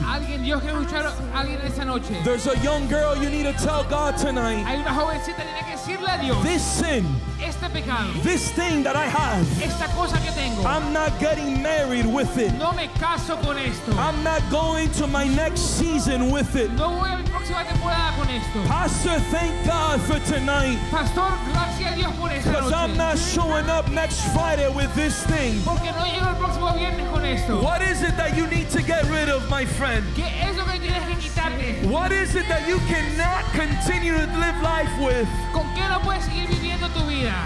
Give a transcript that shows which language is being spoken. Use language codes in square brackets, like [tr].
[es] Alguien, Dios quiere escuchar a alguien esta noche. [en] There's a young girl you need to tell God tonight. [es] Hay una jovencita que tiene que decirle a Dios. [en] This sin. [es] Este pecado. [en] This thing that I have. [es] Esta cosa que tengo. [en] I'm not getting married with it. [es] No me caso con esto. [en] I'm not going to my next season with it. [es] No voy a mi próxima temporada con esto. [en] Pastor, thank God for tonight. [es] Pastor, gracias a Dios por esta noche. [en] Because I'm not showing up next Friday with this thing. [es] Porque no llego el próximo viernes con esto. [en] What is it that you need to get rid of, my friend? [es] ¿Qué es lo que tienes que quitarte? [en] What is it that you cannot continue to live life with? [es] ¿Con qué no puedes seguir viviendo tu vida?